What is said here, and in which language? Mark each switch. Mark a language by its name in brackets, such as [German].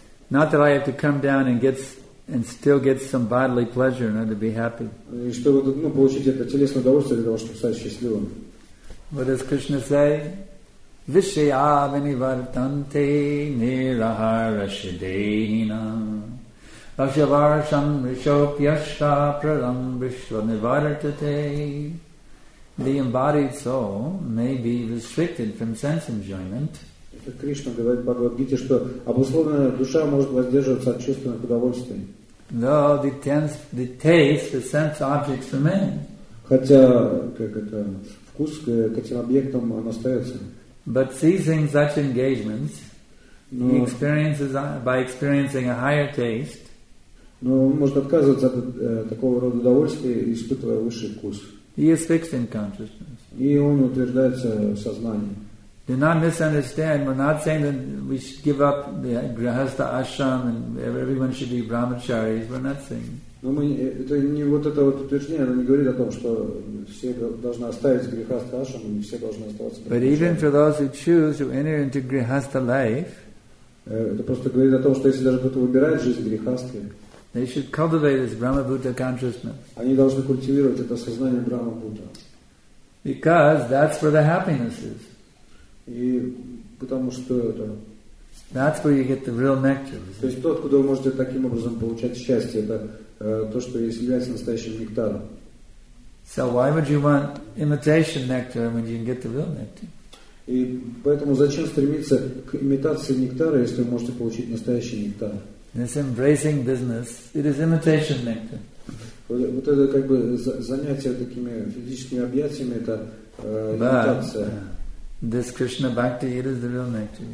[English] Not that I have to come down and get and still get some bodily pleasure and to be happy. [Russian] И чтобы получить это телесное удовольствие для того, чтобы стать счастливым. [English] What does Krishna say? [Sanskrit] Vishaya vinivartante nirahara shadehina Rashavarsham rishopyashta pralam vishvanivartate. [English] The embodied soul may be restricted from sense enjoyment. [Russian] Кришна говорит в Бхагавад-гите, что обусловленная душа может воздерживаться от чувственных удовольствий. [English] No, the taste, the sense objects remain. [Russian] Хотя, как это, вкус к этим объектам остается. [English] But seizing such engagements, he experiences by experiencing a higher taste. [Russian] Но он может отказываться от такого рода удовольствия, испытывая высший вкус. [English] He is fixed in consciousness. [Russian] И он утверждается в сознании. [English] Do not misunderstand. We're not saying that we should give up the grihastha ashram and everyone should be brahmacharis. We're not saying. [Russian] Но мы это не вот это вот утверждение, оно не говорит о том, что все должны оставить грихастха ашрам и все должны оставаться. [English] But even for those who choose to enter into grihastha life, [Russian] это просто говорит о том, что если даже кто-то выбирает жизнь грихастхи, [English] they should cultivate this brahmabhuta consciousness. [Russian] Они должны культивировать это сознание брахмабхута. [English] Because that's where the happiness is. [Russian] И потому что это. [English] That's where you get the real nectar. [Russian] То есть тот, куда вы можете таким образом получать счастье, это то, что является настоящим нектаром. [English] So why would you want imitation nectar when you can get the real nectar? [Russian] И поэтому зачем стремиться к имитации нектара, если вы можете получить настоящий нектар? [English] This embracing business, it is imitation nectar. [Russian] Вот это как бы занятие такими физическими объятиями, это имитация. [English] This Krishna Bhakti, it is the real nectar.